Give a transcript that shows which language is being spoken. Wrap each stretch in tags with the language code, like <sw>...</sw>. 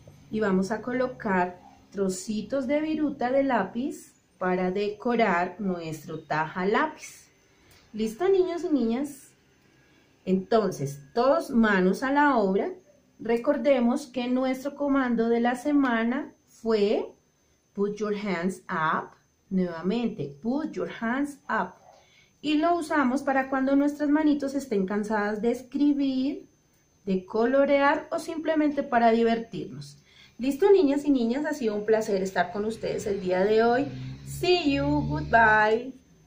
<es>Y vamos a colocar trocitos de viruta de lápiz para decorar nuestro taja lápiz. ¿Listo, niños y niñas? Entonces, todos manos a la obra. Recordemos que nuestro comando de la semana fue</es> <en>put your hands up.</en> <es>Nuevamente,</es> <en>put your hands up.</en> <es>Y lo usamos para cuando nuestras manitos estén cansadas de escribir, de colorear o simplemente para divertirnos. ¿Listo, niñas y niñas? Ha sido un placer estar con ustedes el día de hoy.</es> <en>See you, goodbye.</en>